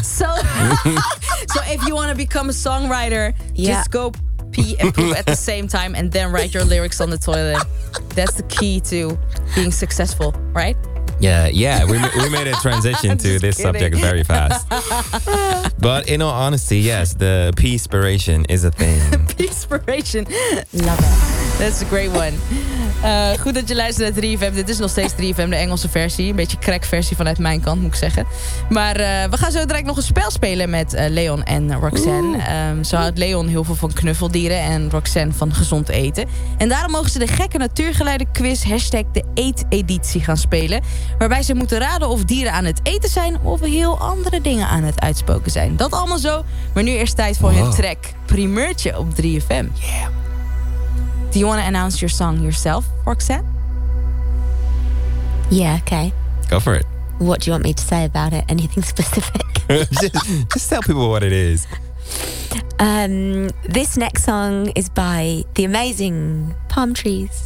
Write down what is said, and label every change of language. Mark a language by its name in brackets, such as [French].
[English] So if you want to become a songwriter, just go pee and poo at the same time and then write your lyrics on the toilet. That's the key to being successful, right? Yeah. We made a transition to this kidding. Subject very fast. But in all honesty, yes, the pee-spiration is a thing. Pee-spiration. Love it. That's a great one. [Dutch] Goed dat je luistert naar 3FM. Dit is nog steeds 3FM, de Engelse versie. Een beetje crack-versie vanuit mijn kant, moet ik zeggen. Maar we gaan zo direct nog een spel spelen met Leon en Roxanne. Zo houdt Leon heel veel van knuffeldieren en Roxanne van gezond eten. En daarom mogen ze de gekke natuurgeleide quiz hashtag de eeteditie gaan spelen. Waarbij ze moeten raden of dieren aan het eten zijn of heel andere dingen aan het uitspoken zijn. Dat allemaal zo, maar nu eerst tijd voor hun track. Primeurtje op 3FM. [English] Yeah. Do you want to announce your song yourself, Roxanne? Yeah, okay. Go for it. What do you want me to say about it? Anything specific? just tell people what it is. This next song is by the amazing Palm Trees.